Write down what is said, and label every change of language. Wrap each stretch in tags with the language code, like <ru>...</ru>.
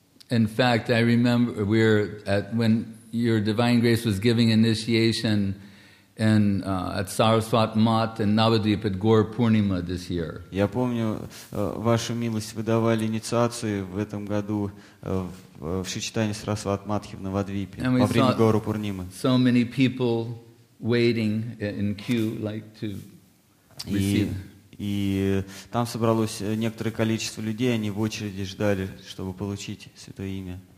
<en>In fact, I remember when Your Divine Grace was giving initiation in at Saraswat Mat in Navadvip at Gaur Purnima this year.</en> <ru>Я помню, Ваша милость выдавали инициацию в этом году в Шри Чайтанья Сарасват Матхе в Навадвипе во время Гору Пурнимы.</ru> <en>So many people waiting in queue like to receive.</en> <ru>И там собралось некоторое количество людей, они в очереди ждали, чтобы получить Святое Имя.</ru>